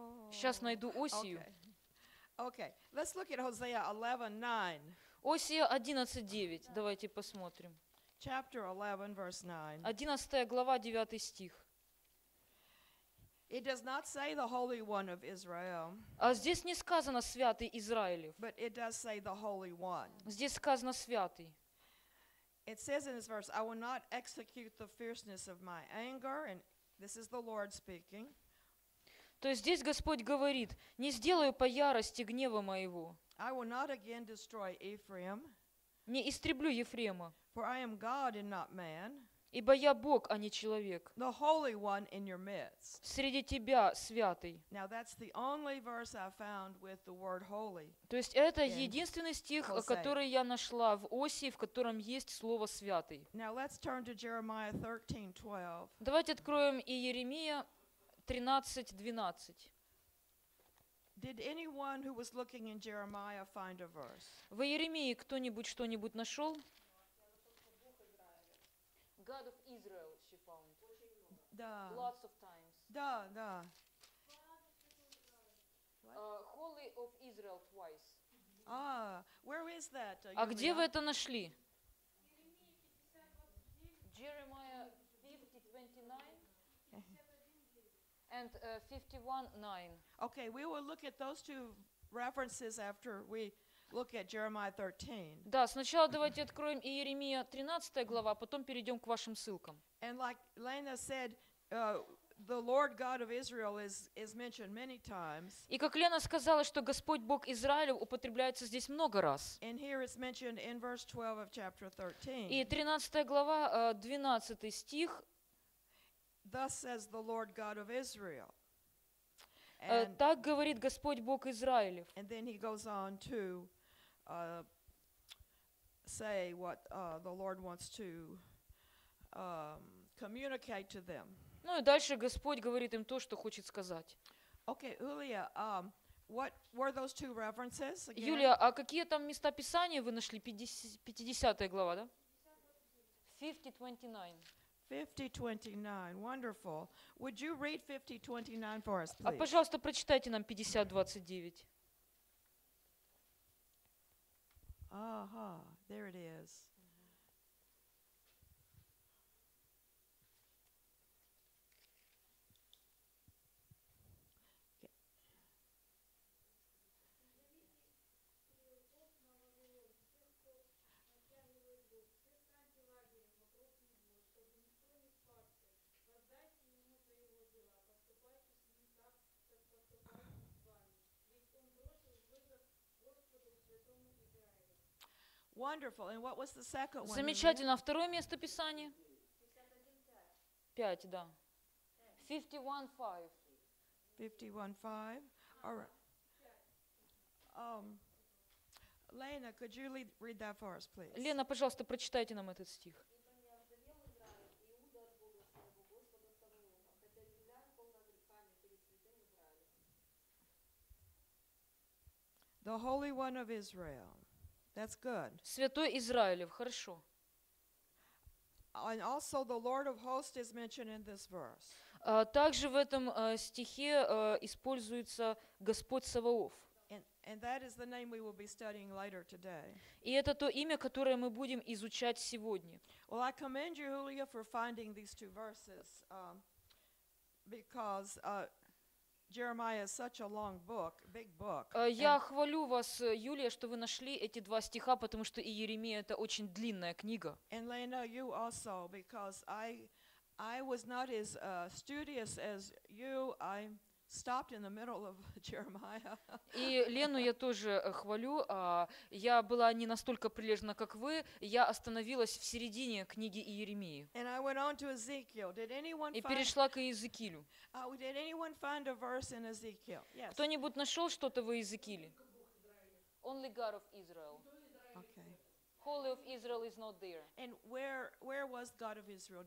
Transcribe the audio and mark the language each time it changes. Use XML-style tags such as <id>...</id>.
<ru>Сейчас найду Осию.</ru> <en>Okay, let's look at Hosea 11:9.</en> <ru>Осия 11:9. Давайте посмотрим.</ru> <en>Chapter 11, verse 9.</en> <ru>11 глава, 9 стих.</ru> <en>It does not say the Holy One of Israel.</en> <ru>А здесь не сказано Святый Израилев.</ru> <en>But it does say the Holy One.</en> <ru>Здесь сказано Святый.</ru> <en>It says in this verse, I will not execute the fierceness of my anger, and this is the Lord speaking.</en> <ru>То есть здесь Господь говорит: не сделаю по ярости гнева моего.</ru> <en>I will not again destroy Ephraim.</en> <ru>Не истреблю Ефрема.</ru> <en>For I am God and not man.</en> <ru>Ибо я Бог, а не человек.</ru> <en>The Holy One in your midst.</en> <ru>Среди тебя святый.</ru> <en>Now that's the only verse I found with the word holy.</en> <ru>То есть это единственный стих, который я нашла в Осии, в котором есть слово святый.</ru> <en>Now let's turn to Jeremiah 13:12.</en> <ru>Давайте откроем Иеремия 13:12.</ru> <en>Did anyone who was looking in Jeremiah find a verse?</en> <ru>В Иеремии кто-нибудь что-нибудь нашел?</ru> <en>God of Israel, she found.</en> <ru>Да.</ru> <en>Lots of times.</en> <ru>Да, да.</ru> <en>Holy of Israel twice. Ah, where is that?</en> <ru>А где вы это нашли?</ru> <en>Jeremiah 50:29 and 51:9. Okay, we will look at those two references after we look at Jeremiah 13.</en> <ru>Да, сначала давайте откроем Иеремия 13 глава, потом перейдем к вашим ссылкам.</ru> <en>And like Lena said, the Lord God of Israel is mentioned many times.</en> <ru>И как Лена сказала, что Господь Бог Израилев употребляется здесь много раз.</ru> <en>And here it's mentioned in verse 12 of chapter 13.</en> <ru>И 13 глава, 12 стих.</ru> <en>Thus says the Lord God of Israel.</en> <ru>Так говорит Господь Бог Израилев.</ru> <en>And then he goes on to say what the Lord wants to communicate to them.</en> <ru>Ну и дальше Господь говорит им то, что хочет сказать.</ru> <en>Okay, Julia, what were those two references again?</en> <ru>Юлия, а какие там места Писания вы нашли? 50-я глава, да? 50:29.</ru> <en>50:29, wonderful. Would you read 50:29 for us, please?</en> <ru>А пожалуйста, прочитайте нам 50:29.</ru> <en>Ага, there it is. Wonderful. And what was the second one?</en> <ru>Замечательно. Второе место Писания. 5, да. 51:5. 51:5.</ru> <en>All right. Lena, could you read that for us, please?</en> <ru>Лена, пожалуйста, прочитайте нам этот стих.</ru> <en>The Holy One of Israel. That's good.</en> <ru>Святой Израилев, хорошо.</ru> <en>And also the Lord of Hosts is mentioned in this verse.</en> <ru>Также в этом стихе используется Господь Саваоф.</ru> <en>And that is the name we will be studying later today.</en> <ru>И это то имя, которое мы будем изучать сегодня.</ru> <en>Well, I commend you, Julia, for finding these two verses, because Jeremiah is such a long book, big book.</en> <ru>Я хвалю вас, Юлия, что вы нашли эти два стиха, потому что Иеремия — это очень длинная книга.</ru> <en>And Lena, you also, because I was not as studious as you. I stopped in the middle of Jeremiah.</en> <ru>И Лену я тоже хвалю. Я была не настолько прилежна, как вы. Я остановилась в середине книги Иеремии.</ru> <en>And I went on to Ezekiel. Did anyone find?</en> <ru>И перешла к Иезекиилю.</ru> <en>Did anyone find a verse in Ezekiel? Yes.</en> <ru>Кто-нибудь нашел что-то в Иезекииле?</ru> <en>Only God of Israel. Okay. Holy of Israel is not there. And where was God of Israel?</en>